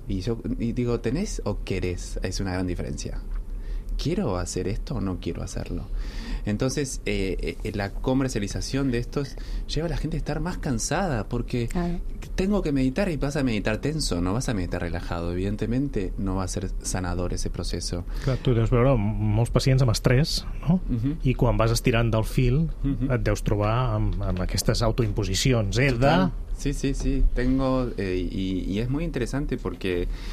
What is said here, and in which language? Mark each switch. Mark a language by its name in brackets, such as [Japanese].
[Spanish] Y digo, ¿tenés o querés? Es una gran diferencia. ¿Quiero hacer esto o no quiero hacerlo? Entonces, la comercialización de estos lleva a la gente a estar más cansada, porque tengo que meditar y vas a meditar tenso, no vas a meditar relajado. Evidentemente, no va a ser sanador ese proceso. [Catalan] Clar, tu deus veure molts pacients amb estrès, no? Uh-huh. I quan vas estirant del fil, uh-huh, et deus trobar amb aquestes autoimposicions. [Spanish] Sí, tengo... Y es muy interesante porque...